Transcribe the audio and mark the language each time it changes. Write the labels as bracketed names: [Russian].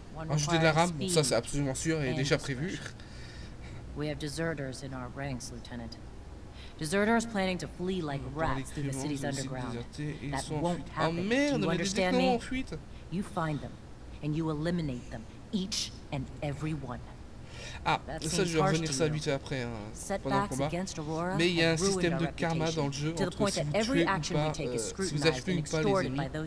[French] Ajouter de la rame, ça c'est absolument sûr et déjà prévu. [English] We have deserters in our ranks, Lieutenant. Deserters planning to flee like rats through the city's underground. That won't happen. Do you understand me? You find them, and you eliminate them, each and every one. [French] Ah, ça, je vais revenir ça vite fait après, hein, pendant le combat. Mais il y a un système de karma dans le jeu entre si vous tuez ou pas, si vous achetez ou pas les ennemis.